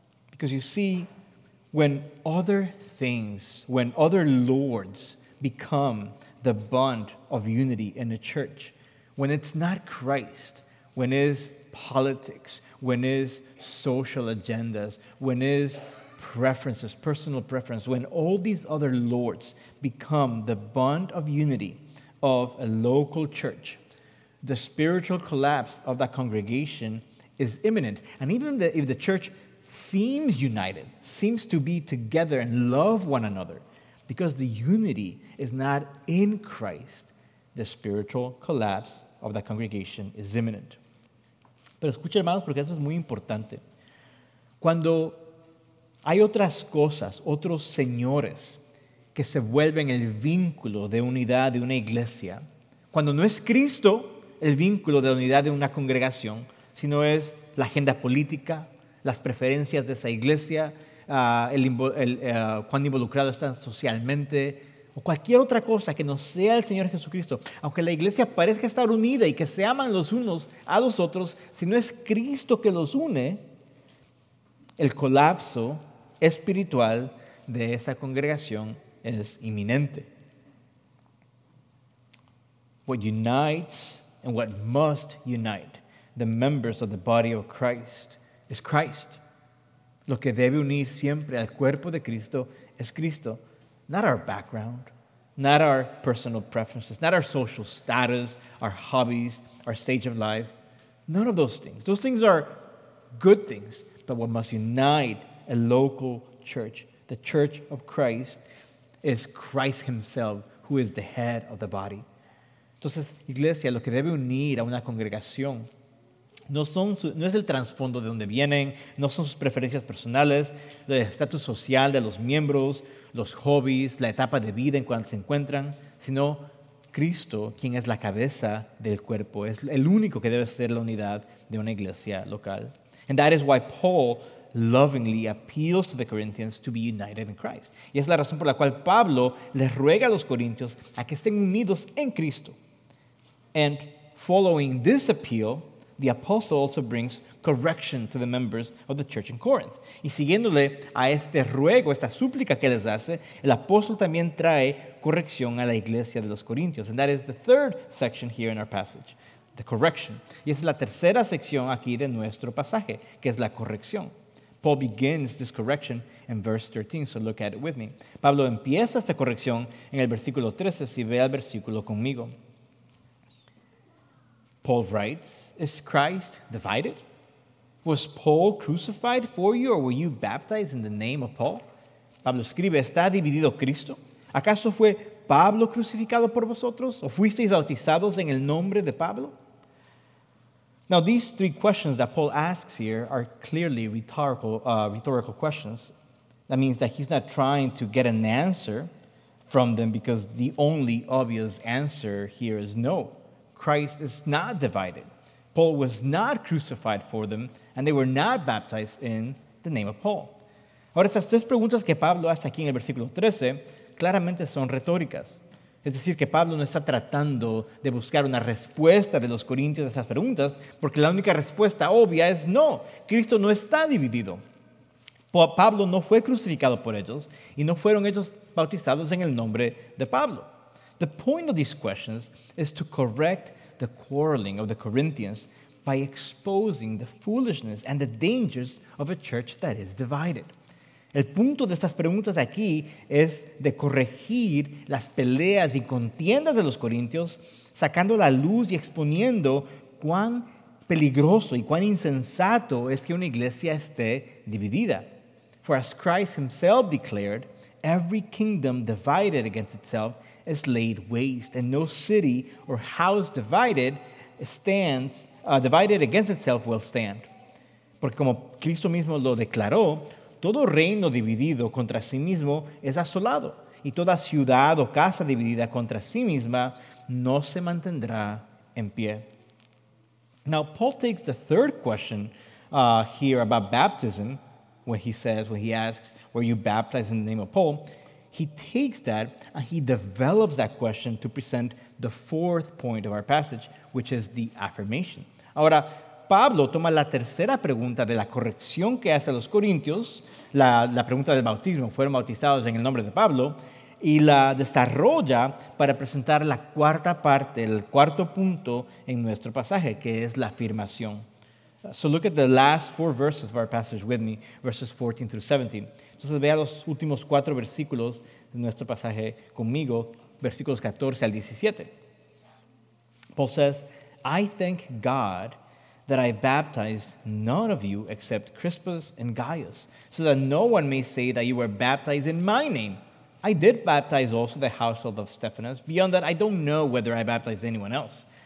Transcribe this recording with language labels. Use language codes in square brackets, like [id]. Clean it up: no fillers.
[en] Because you see, when other things, when other lords become the bond of unity in a church, when it's not Christ, when is politics, when is social agendas, when is preferences, personal preference, when all these other lords become the bond of unity of a local church, the spiritual collapse of that congregation is imminent. And even if the church seems united, seems to be together and love one another, because the unity is not in Christ, the spiritual collapse of that congregation is imminent. [es] Pero escucha, hermanos, porque eso es muy importante. Cuando hay otras cosas, otros señores que se vuelven el vínculo de unidad de una iglesia, cuando no es Cristo el vínculo de la unidad de una congregación, sino es la agenda política, las preferencias de esa iglesia, cuán involucrado están socialmente, o cualquier otra cosa que no sea el Señor Jesucristo, aunque la iglesia parezca estar unida y que se aman los unos a los otros, si no es Cristo que los une, el colapso espiritual de esa congregación es inminente. [en] What unites and what must unite the members of the body of Christ is Christ. [es] Lo que debe unir siempre al cuerpo de Cristo es Cristo. [en] Not our background, not our personal preferences, not our social status, our hobbies, our stage of life. None of those things. Those things are good things. But what must unite a local church, the church of Christ, is Christ himself, who is the head of the body. [es] Entonces, iglesia, lo que debe unir a una congregación no es el trasfondo de donde vienen, no son sus preferencias personales, el estatus social de los miembros, los hobbies, la etapa de vida en cual se encuentran, sino Cristo, quien es la cabeza del cuerpo, es el único que debe ser la unidad de una iglesia local. [en] And that is why Paul lovingly appeals to the Corinthians to be united in Christ. [es] Y es la razón por la cual Pablo les ruega a los corintios a que estén unidos en Cristo. [en] And following this appeal, the apostle also brings correction to the members of the church in Corinth. [es] Y siguiéndole a este ruego, esta súplica que les hace, el apóstol también trae corrección a la iglesia de los corintios. [en] And that is the third section here in our passage. The correction. [es] Y es la tercera sección aquí de nuestro pasaje, que es la corrección. [en] Paul begins this correction in verse 13, so look at it with me. [es] Pablo empieza esta corrección en el versículo 13, si ve el versículo conmigo. [en] Paul writes, "Is Christ divided? Was Paul crucified for you, or were you baptized in the name of Paul?" [es] Pablo escribe, "¿Está dividido Cristo? ¿Acaso fue Pablo crucificado por vosotros? ¿O fuisteis bautizados en el nombre de Pablo?" [en] Now, these three questions that Paul asks here are clearly rhetorical questions. That means that he's not trying to get an answer from them, because the only obvious answer here is no. Christ is not divided. Paul was not crucified for them, and they were not baptized in the name of Paul. [es] Ahora, estas tres preguntas que Pablo hace aquí en el versículo 13 claramente son retóricas. Es decir, que Pablo no está tratando de buscar una respuesta de los corintios a esas preguntas, porque la única respuesta obvia es no, Cristo no está dividido. Pablo no fue crucificado por ellos y no fueron ellos bautizados en el nombre de Pablo. [en] The point of these questions is to correct the quarreling of the Corinthians by exposing the foolishness and the dangers of a church that is divided. [es] El punto de estas preguntas aquí es de corregir las peleas y contiendas de los corintios, sacando la luz y exponiendo cuán peligroso y cuán insensato es que una iglesia esté dividida. [en] For as Christ himself declared, every kingdom divided against itself is laid waste, and no city or house divided stands, divided against itself will stand. [es] Porque como Cristo mismo lo declaró, todo reino dividido contra sí mismo es asolado, y toda ciudad o casa dividida contra sí misma no se mantendrá en pie. [en] Now, Paul takes the third question here about baptism, when he says, when he asks, were you baptized in the name of Paul? He takes that and he develops that question to present the fourth point of our passage, which is the affirmation. [es] Ahora, Pablo toma la tercera pregunta de la corrección que hace a los corintios, la pregunta del bautismo, fueron bautizados en el nombre de Pablo, y la desarrolla para presentar la cuarta parte, el cuarto punto en nuestro pasaje, que es la afirmación. [en] So look at the last four verses of our passage with me, verses 14 through 17. [es] Entonces vea los últimos cuatro versículos de nuestro pasaje conmigo, versículos 14 al 17. [en] Paul says, I thank God that I baptized none of you except Crispus and Gaius, so that no one may say that you were baptized in my name. I did baptize also the household of Stephanas. Beyond that, I don't know whether I baptized anyone else.